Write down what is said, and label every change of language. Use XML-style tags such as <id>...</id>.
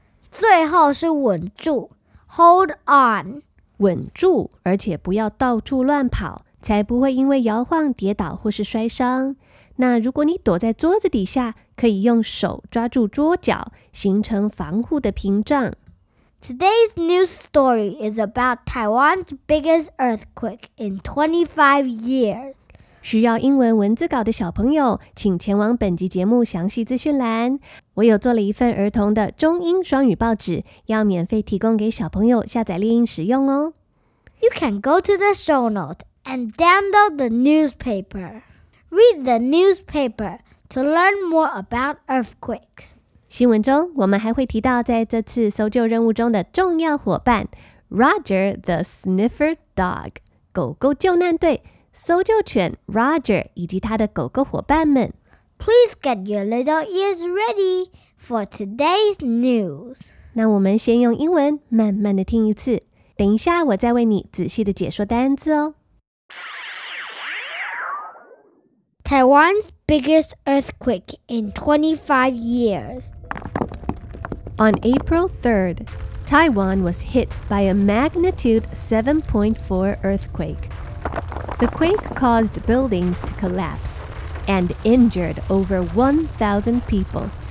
<zh>最后是稳住 ，hold on，稳住，而且不要到处乱跑，才不会因为摇晃跌倒或是摔伤。那如果你躲在桌子底下，可以用手抓住桌角，形成防护的屏障。</zh> <en>Today's news story is about Taiwan's biggest earthquake in 25 years.</en> <zh>需要英文文字稿的小朋友，请前往本集节目详细资讯栏。我有做了一份儿童的中英双语报纸，要免费提供给小朋友下载练音使用哦。</zh> <en>You can go to the show note and download the newspaper. Read the newspaper to learn more about earthquakes.</en> <zh>新闻中我们还会提到在这次搜救任务中的重要伙伴 Roger the Sniffer Dog 狗狗救难队搜救犬 Roger 以及他的狗狗伙伴们</zh> <en>Please get your little ears ready for today's news</en> <zh>那我们先用英文慢慢的听一次等一下我再为你仔细的解说单字哦</zh> <en>Taiwan's biggest earthquake in 25 years On April 3rd, Taiwan was hit by a magnitude 7.4 earthquake. The quake caused buildings to collapse and injured over 1,000 people.</en>